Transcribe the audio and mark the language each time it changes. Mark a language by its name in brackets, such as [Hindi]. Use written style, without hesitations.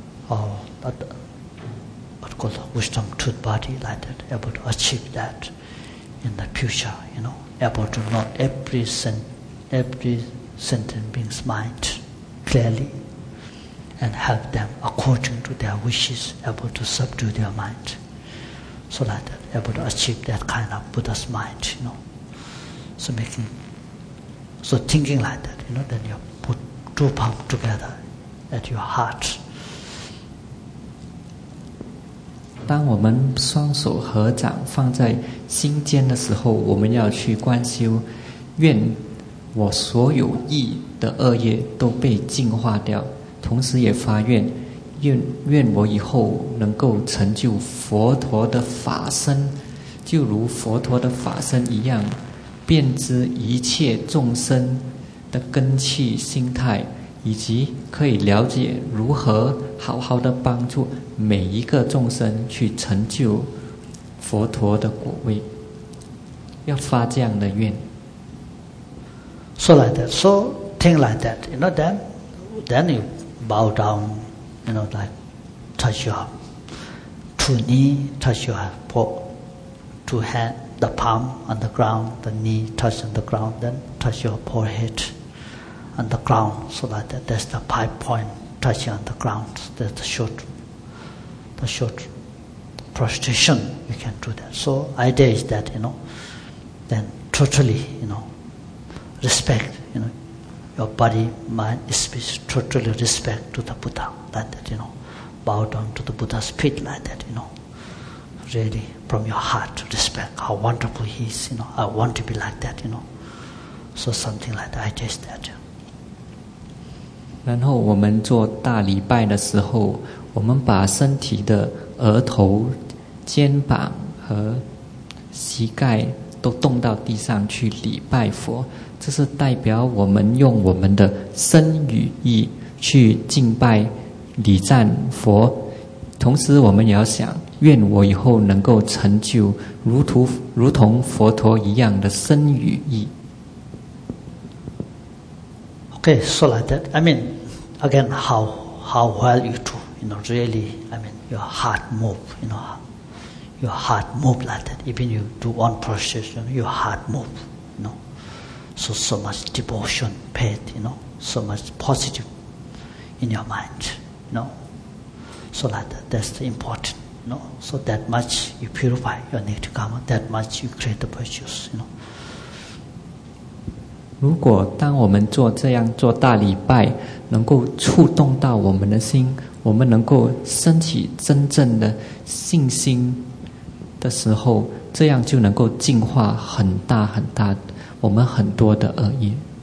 [English] or that,called wisdom truth body like that, able to achieve that in the future, you know, able to know every sentient being's mind clearly and help them according to their wishes, able to subdue their mind. So like that, able to achieve that kind of Buddha's mind, you know. So thinking like that, you know, then you put two palms together at your heart. [Chinese] 当我们双手合掌放在心间的时候，我们要去观修，愿我所有意的恶业都被净化掉，同时也发愿，愿我以后能够成就佛陀的法身，就如佛陀的法身一样，遍知一切众生的根器心态，以及可以了解如何好好的帮助每一个众生去成就佛陀的果位，要发这样的愿。 [English] So like that, so think like that, you know. Then you bow down, you know, like touch your two knee, touch your two hand, the palm on the ground, the knee touch on the ground, then touch your forehead on the ground. So like that, that's the 5 point touching on the ground. That's the short. A short prostration, you can do that. So idea is that, you know, then totally, you know, respect, you know, your body, mind, speech, totally respect to the Buddha, like that, you know, bow down to the Buddha's feet, like that, you know, really from your heart, respect how wonderful he is, you know, I want to be like that, you know. So something like that, idea is that. [Chinese] 然后我们做大礼拜的时候，我们把身体的额头、肩膀和膝盖都动到地上去礼拜佛，这是代表我们用我们的身与意去敬拜、礼赞佛。同时，我们也要想，愿我以后能够成就如同佛陀一样的身与意。 [English] Okay, so like that. I mean, again, how well you do. You know, really, I mean, your heart move, you know, your heart move like that. Even you do one procession, your heart move, you know. So much devotion, faith, you know, so much positive in your mind, you know. So like that, that's the important, you know. So that much you purify your negative karma, that much you create the virtues, you know. [Chinese] 如果当我们做这样做大礼拜，能够触动到我们的心，我们能够升起真正的信心的时候，这样就能够净化很大很大我们很多的恶业。